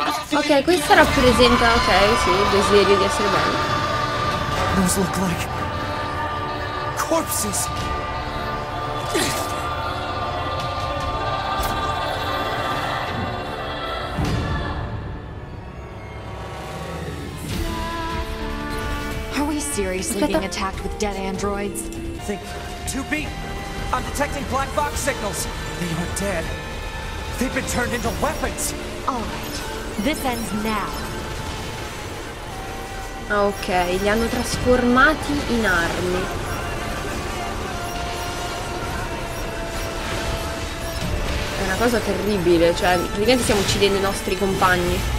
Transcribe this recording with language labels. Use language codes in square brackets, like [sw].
[it] Ok, questa rappresenta, ok, sì, il desiderio di essere bello. [en] Those look like corpses. Seriously being attacked with dead androids? Think. 2B! I'm detecting black box signals! They are dead. They've been turned into weapons! Alright. This ends now. [it] Ok, li hanno trasformati in armi. È una cosa terribile, cioè, praticamente stiamo uccidendo i nostri compagni.